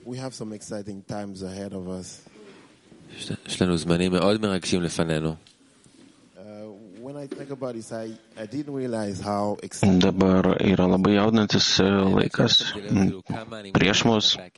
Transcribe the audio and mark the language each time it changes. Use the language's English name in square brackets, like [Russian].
[English] Some exciting times ahead of us. [Hebrew] יש לנו זמנים מאוד מרגשים לפנינו. [English] When I think about it, I didn't realize how exciting. [Lithuanian] Dabar yra labai jaudinantis laikas prieš mus.